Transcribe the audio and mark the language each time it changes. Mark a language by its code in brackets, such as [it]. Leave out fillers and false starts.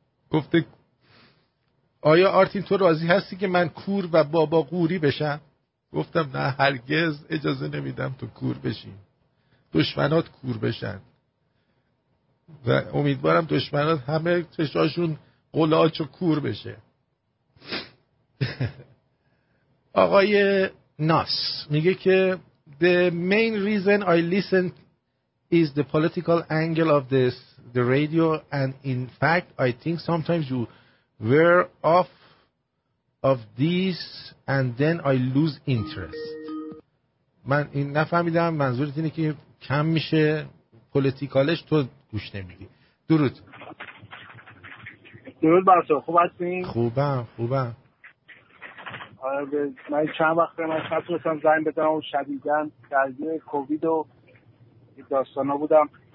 [fa] گفته آیا آرتین تو راضی هستی که من کور و بابا قوری بشم؟ گفتم نه، هرگز اجازه نمیدم تو کور بشی، دشمنات کور بشن و امیدوارم دشمنات همه چشاشون قلاچ و کور بشه. آقای ناس میگه که [en] the main reason I listen is the political angle of this the radio and in fact I think sometimes you were off of these and then I lose interest. [fa] من این نفهمیدم منظورت اینه که کم میشه پولیتیکالش تو گوش نمیدی. درود. درود بر تو، خوب هستین؟ خوبم. من چند وقت من خط رسان زنگ بدم و شدیدن درگیر کووید و داستانا بودم.